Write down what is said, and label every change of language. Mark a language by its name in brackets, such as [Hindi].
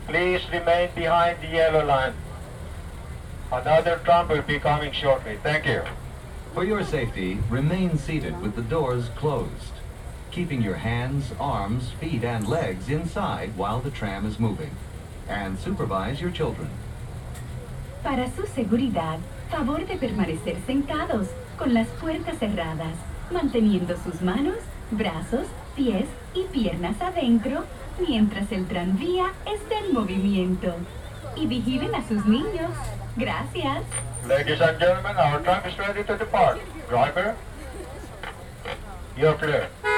[English] Please remain behind the yellow line. Another tram will be coming shortly. Thank you. For your safety, remain seated with the doors closed, keeping your hands, arms, feet, and legs inside while the tram is moving. And supervise your children. [Spanish] Para su seguridad, favor de permanecer sentados con las puertas cerradas, manteniendo sus manos, brazos, pies y piernas adentro mientras el tranvía esté en movimiento. Y vigilen a sus niños. Gracias. [English] Ladies and gentlemen, our tram is ready to depart. Driver, you're clear.